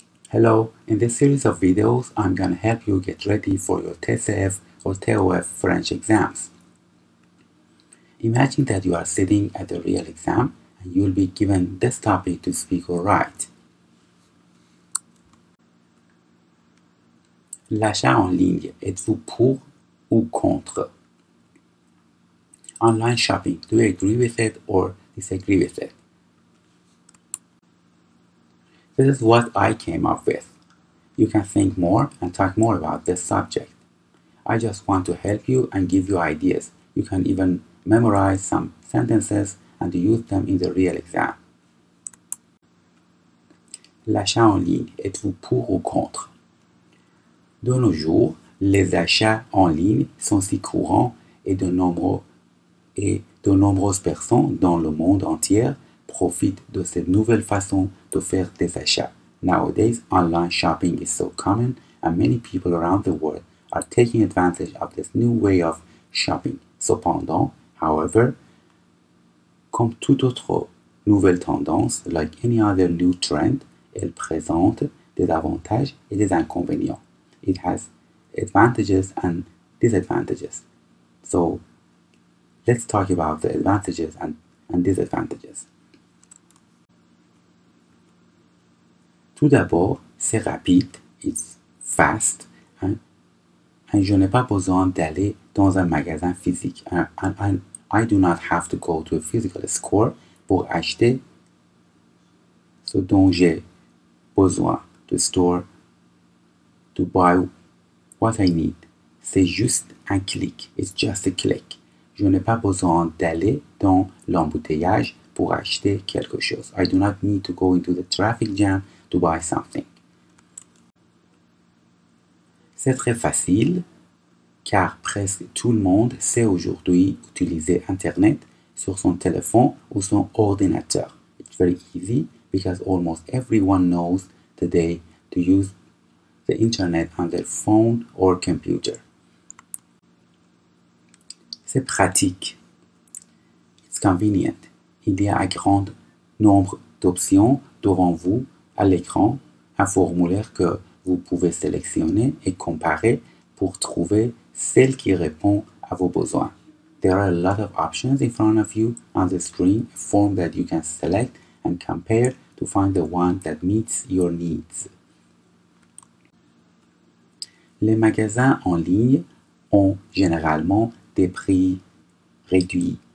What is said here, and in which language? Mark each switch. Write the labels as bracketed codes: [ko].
[en] Hello, in this series of videos, I'm going to help you get ready for your TESF or TOEF French exams. Imagine that you are sitting at a real exam and you'll be given this topic to speak or write. [fr] L'achat en ligne, êtes-vous pour ou contre? [en] Online shopping, do you agree with it or disagree with it? This is what I came up with. You can think more and talk more about this subject. I just want to help you and give you ideas. You can even memorize some sentences and use them in the real exam. [fr] L'achat en ligne, êtes-vous pour ou contre? De nos jours, les achats en ligne sont si courants et de nombreuses personnes dans le monde entier profite de cette nouvelle façon de faire des achats. [en] Nowadays, online shopping is so common and many people around the world are taking advantage of this new way of shopping. [fr] Cependant, [en] however, [fr] comme toute autre nouvelle tendance, [en] like any other new trend, [fr] elle présente des avantages et des inconvénients. [en] It has advantages and disadvantages. So, let's talk about the advantages and disadvantages. [fr] Tout d'abord, c'est rapide, [en] it's fast, [fr] hein? Et je n'ai pas besoin d'aller dans un magasin physique. [en] I do not have to go to a physical store [fr] pour acheter ce dont j'ai besoin, [en] to store, to buy what I need. [fr] C'est juste un clic, [en] it's just a click. [fr] Je n'ai pas besoin d'aller dans l'embouteillage pour acheter quelque chose. [en] I do not need to go into the traffic jam to buy something. [fr] C'est très facile car presque tout le monde sait aujourd'hui utiliser Internet sur son téléphone ou son ordinateur. [en] It's very easy because almost everyone knows today to use the Internet on their phone or computer. [fr] C'est pratique. [en] It's convenient. [fr] Il y a un grand nombre d'options devant vous. À l'écran, un formulaire que vous pouvez sélectionner et comparer pour trouver celle qui répond à vos besoins. [en] There are a lot of options in front of you on the screen, a form that you can select and compare to find the one that meets your needs. [fr] Les magasins en ligne ont généralement des prix réduits.